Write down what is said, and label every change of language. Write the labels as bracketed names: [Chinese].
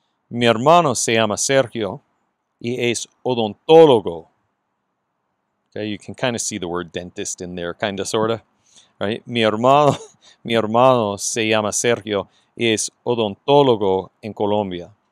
[Spanish] Mi hermano se llama Sergio y es odontólogo. [English] Okay, you can kind of see the word dentist in there, kind of, sort of, right? [Spanish] Mi hermano se llama Sergio y es odontólogo en Colombia.